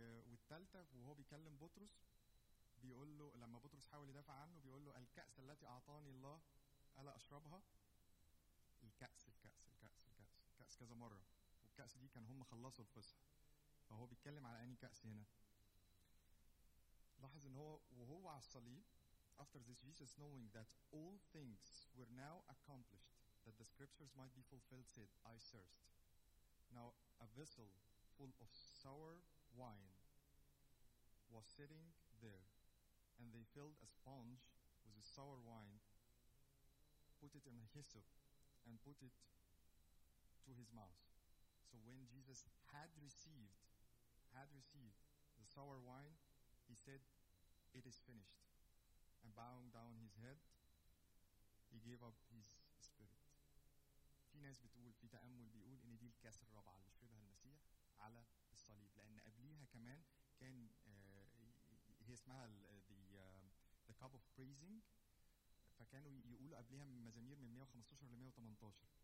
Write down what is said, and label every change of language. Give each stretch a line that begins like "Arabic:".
Arabic: والثالثه وهو بيكلم بطرس بيقول له لما بطرس حاول يدافع عنه بيقول له الكاس التي اعطاني الله الا اشربها. الكاس الكاس الكاس الكاس الكاس كذا مره, والكاس دي كان هم خلصوا الفصح, فهو بيتكلم على اني كاس هنا.
English: لاحظ ان هو وهو على الصليب after this Jesus knowing that all things were now accomplished that the scriptures might be fulfilled said I thirst. Now a vessel full of sour wine was sitting there and they filled a sponge with the sour wine put it in a hyssop and put it to his mouth. So when Jesus had received the sour wine he said it is finished and bowing down his head he gave up his spirit.
Arabic: في ناس بتقول في تأمل بيقول ان دي الكاس الرابعة اللي شربها المسيح على الصليب, لان قبليها كمان كان هي اسمها the cup of praising, فكانوا يقولوا قبليها من مزامير من 115 ل 118.